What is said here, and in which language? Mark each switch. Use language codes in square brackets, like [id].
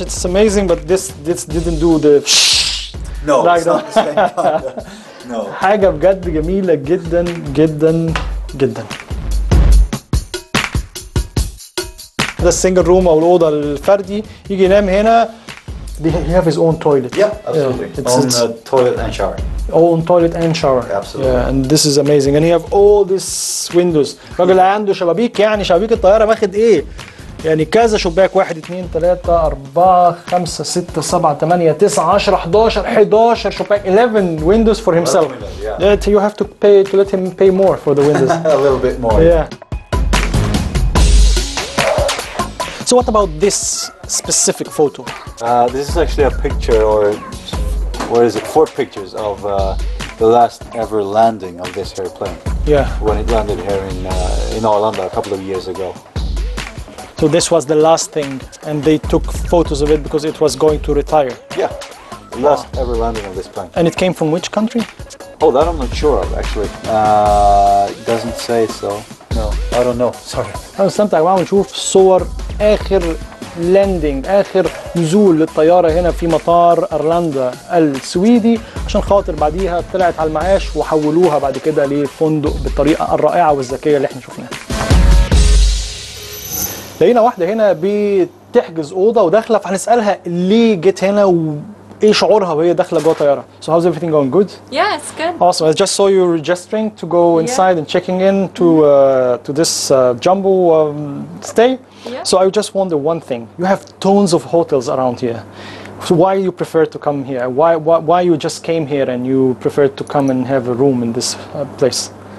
[en] It's amazing, but this didn't do the No, it's not the same. No. [ar] حاجة بجد جميلة جدا جدا جدا. هذا السنجل روم أو الأوضة الفردي يجي ينام هنا. [en] He have his own toilet. Yeah, absolutely. Yeah, own toilet and shower. Own toilet and shower. Absolutely. Yeah, and this is amazing. And he have all these windows. [ar] رجل عنده شبابيك يعني شبابيك الطيارة ماخد ايه؟ يعني كذا شباك 1 2 3 4 5 6 7 8 9 10 11 11 شباك [en] 11 windows for himself. Yeah. You have to let him pay more for the windows. A little bit more. Yeah. So what about this specific photo? This is actually a picture or what is it? Four pictures of the last ever landing of this airplane. Yeah. When it landed here in Orlando a couple of years ago. So this was the last thing, and they took photos of it because it was going to retire. Yeah. Last ever landing on this plane. And it came from which country? Oh, that I'm not sure of, actually. It doesn't say so. No, I don't know. Sorry. Sometimes I want to see the last landing, the last landing of the plane here in [ar] مطار أرلاندا السويدي عشان خاطر بعديها طلعت على المعاش وحولوها بعد كده لفندق بالطريقة الرائعة والذكية اللي احنا شفناها. لقينا واحدة هنا بتحجز أوضة وداخلة فهنسألها ليه جت هنا وإيه شعورها وهي داخلة جوه طيارة. [en] So how's everything going? Good? Yeah, it's good. Awesome. I just saw you registering to go inside and checking in to to this jumbo stay. Yeah. So I just wonder one thing. You have tons of hotels around here. So why you prefer to come here? Why you just came here and you prefer to come and have a room in this place?